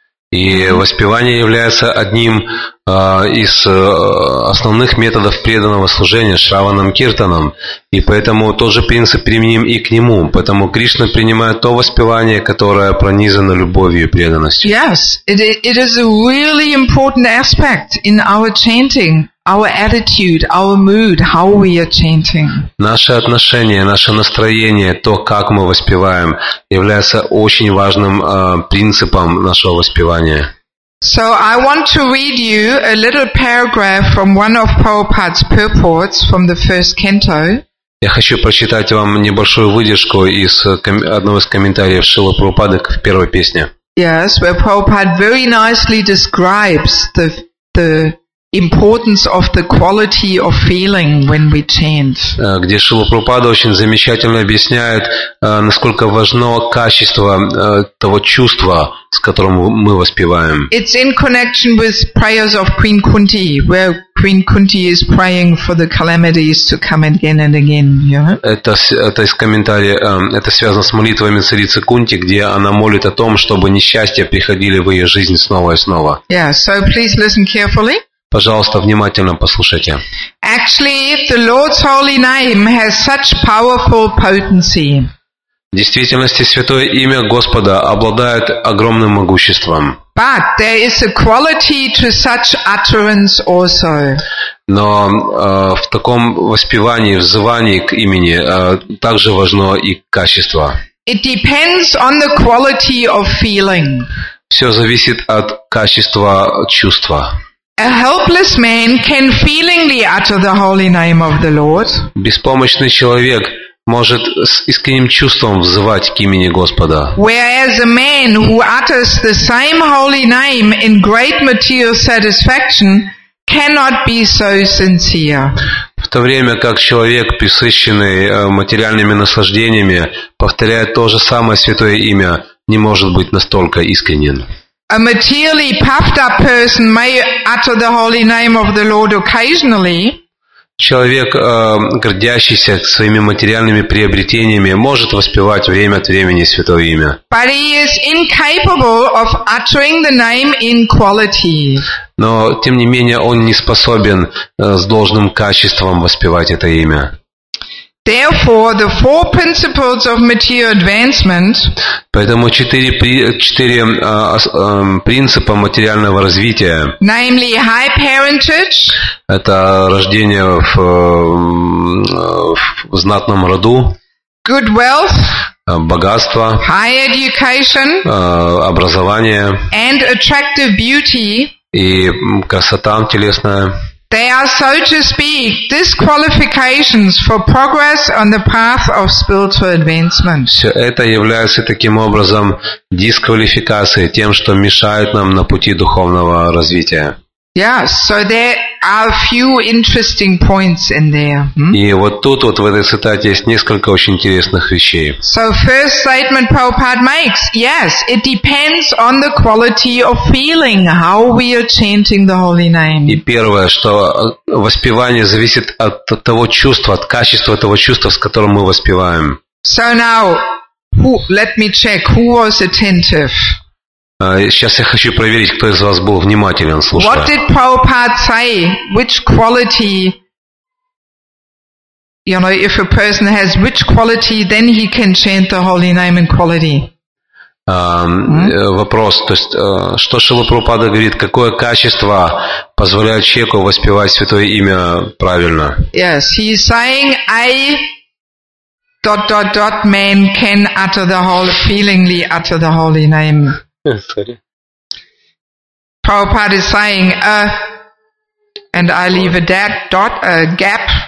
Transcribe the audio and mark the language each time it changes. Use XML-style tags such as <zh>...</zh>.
<ru>И воспевание является одним из основных методов преданного служения Шраванам Киртанам, и поэтому тот же принцип применим и к нему. Поэтому Кришна принимает то воспевание, которое пронизано любовью и преданностью.</ru> <en>Yes, it is a really important aspect in our chanting, our attitude, our mood, how we are chanting.</en> <ru>Наше отношение, наше настроение, то, как мы воспеваем, является очень важным принципом нашего воспевания.</ru> <en>So I want to read you a little paragraph from one of Prabhupada's purports from the first canto.</en> <ru>Я хочу прочитать вам небольшую выдержку из одного из комментариев Шрилы Прабхупады к первой песне.</ru> <en>Yes, where Prabhupada very nicely describes the importance of the quality of feeling when we chant. Где Шрила Прабхупада очень замечательно объясняет, насколько важно качество того чувства, с которым мы воспеваем. It's in connection with prayers of Queen Kunti, where Queen Kunti is praying for the calamities to come again and again. You know?</en> <ru>Это из комментария. Это связано с молитвами царицы Кунти, где она молит о том, чтобы несчастья приходили в ее жизнь снова и снова.</ru> <en>Yeah, so please listen carefully.</en> <ru>Пожалуйста, внимательно послушайте.</ru> <en>Actually, the Lord's holy name has such powerful potency.</en> <ru>В действительности, святое имя Господа обладает огромным могуществом.</ru> <en>But there is a quality to such utterance also.</en> <ru>Но в таком воспевании, взывании к имени, также важно и качество.</ru> <en>It depends on the quality of feeling.</en> <ru>Все зависит от качества чувства.</ru> <en>A helpless man can feelingly utter the holy name of the Lord.</en> <ru>Беспомощный человек может с искренним чувством взывать к имени Господа.</ru> <en>Whereas a man who utters the same holy name in great material satisfaction cannot be so sincere.</en> <ru>В то время как человек, пресыщенный материальными наслаждениями, повторяет то же самое святое имя, не может быть настолько искренен.</ru> <en>A materially puffed-up person may utter the holy name of the Lord occasionally.</en> <ru>Человек, гордящийся своими материальными приобретениями, может воспевать время от времени святое имя.</ru> <en>But he is incapable of uttering the name in quality.</en> <ru>Но тем не менее он не способен с должным качеством воспевать это имя.</ru> <en>Therefore, the four principles of material advancement.</en> <ru>Поэтому четыре принципа материального развития.</ru> <en>Namely, high parentage.</en> <ru>Это рождение в знатном роду.</ru> <en>Good wealth.</en> <ru>Богатство.</ru> <en>High education.</en> <ru>Образование.</ru> <en>And attractive beauty.</en> <ru>И красота телесная.</ru> <en>They are, so to speak, disqualifications for progress on the path of spiritual advancement.</en> <ru>Все это является таким образом дисквалификацией, тем, что мешает нам на пути духовного развития.</ru> <en>Yeah, so there are a few interesting points in there.</en> <ru>И вот тут вот в этой цитате есть несколько очень интересных вещей.</ru> <en>So first statement Prabhupada makes, yes, it depends on the quality of feeling how we are chanting the holy name.</en> <ru>И первое, что воспевание зависит от того чувства, от качества того чувства, с которым мы воспеваем.</ru> <en>So now, let me check who was attentive.</en> <ru>Сейчас я хочу проверить, кто из вас был внимателен, слушая.</ru> <en>What did Prabhupada say? Which quality, you know, if a person has which quality, then he can chant the holy name in quality.</en> <ru>Вопрос, то есть, что Шрила Прабхупада говорит, какое качество позволяет человеку воспевать святое имя правильно?</ru> <en>Yes, he is saying, man can utter the holy, feelingly utter the holy name. Sorry. Prabhupada is saying gap.</en>